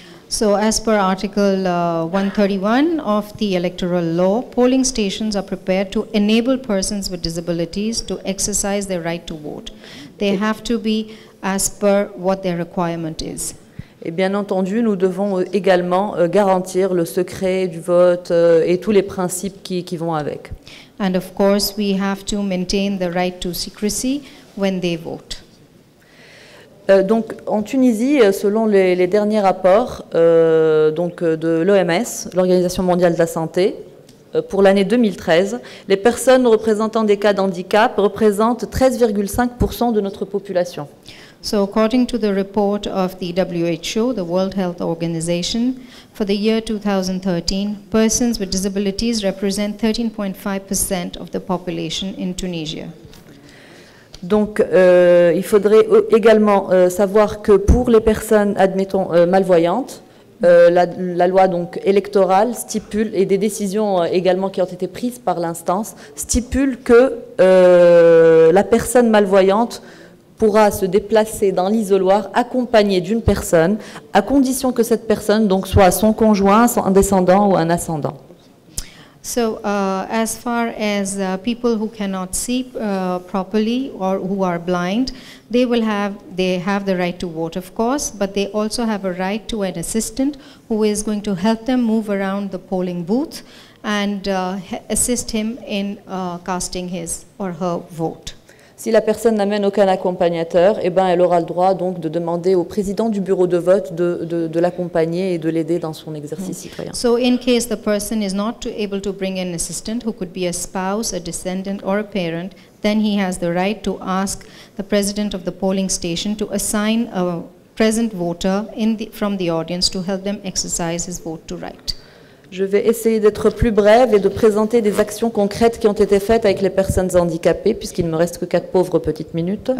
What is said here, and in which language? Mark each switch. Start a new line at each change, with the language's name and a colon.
English: So, as per article 131 of the electoral law, polling stations are prepared to enable persons with disabilities to exercise their right to vote. They have to be as per what their requirement is.
French: Et bien entendu, nous devons également garantir le secret du vote et tous les principes qui vont avec.
English: And of course, we have to maintain the right to secrecy when they vote.
French: Donc, en Tunisie, selon les derniers rapports de l'OMS, l'Organisation mondiale de la santé, pour l'année 2013, les personnes représentant des cas d'handicap représentent 13,5% de notre population.
English: So according to the report of the WHO, the World Health Organization, for the year 2013, persons with disabilities represent 13.5% of the population in Tunisia.
French: Donc, il faudrait également savoir que pour les personnes, admettons, malvoyantes, La loi donc électorale stipule, et des décisions également qui ont été prises par l'instance, stipule que la personne malvoyante pourra se déplacer dans l'isoloir accompagnée d'une personne, à condition que cette personne donc soit son conjoint, son descendant ou un ascendant.
English: So as far as people who cannot see properly or who are blind, they have the right to vote, of course, but they also have a right to an assistant who is going to help them move around the polling booth and assist him in casting his or her vote.
French: Si la personne n'amène aucun accompagnateur, eh ben elle aura le droit donc de demander au président du bureau de vote de l'accompagner et de l'aider dans son exercice citoyen.
English: So in case the person is not able to bring an assistant who could be a spouse, a descendant or a parent, then he has the right to ask the president of the polling station to assign a present voter from the audience to help them exercise his vote to write.
French: Je vais essayer d'être plus brève et de présenter des actions concrètes qui ont été faites avec les personnes handicapées, puisqu'il ne me reste que 4 pauvres petites minutes.